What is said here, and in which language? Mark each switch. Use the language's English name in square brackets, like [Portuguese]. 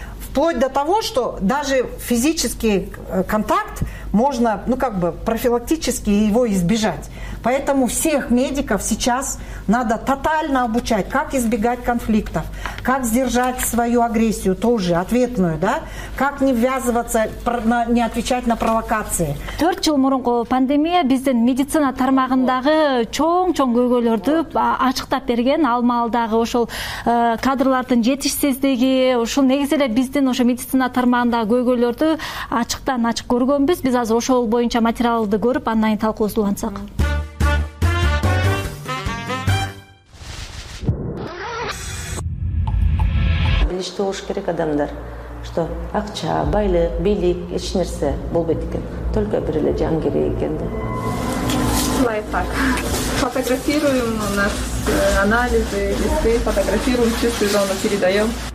[Russian] Вплоть до того, что даже физический контакт можно, профилактически его избежать. Поэтому всех медиков сейчас надо тотально обучать, как избегать конфликтов, как сдержать свою агрессию тоже, ответную, да? Как не ввязываться, не отвечать на провокации. [Kyrgyz] 4 жыл мурунку пандемия биздин медицина тармагындагы чоң-чоң көйгөйлөрдү ачыктап берген, ал маалдагы ошол кадрлардын жетишсиздиги, ушул негизи эле биздин ошо медицина тармагындагы көйгөйлөрдү ачыктан ачык көргөнбүз. Биз азыр ошол боюнча материалды көрүп, андан кийин талкуусун улантсак. Билишти болуш керек адамдар, что акча, байлык, бийлик, эч нерсе болбойт экен. Только бир эле жан керек экен. [Russian] Лайфхак. Фотографируем у нас анализы, листы, фотографируем, чувствуем, зону передаем.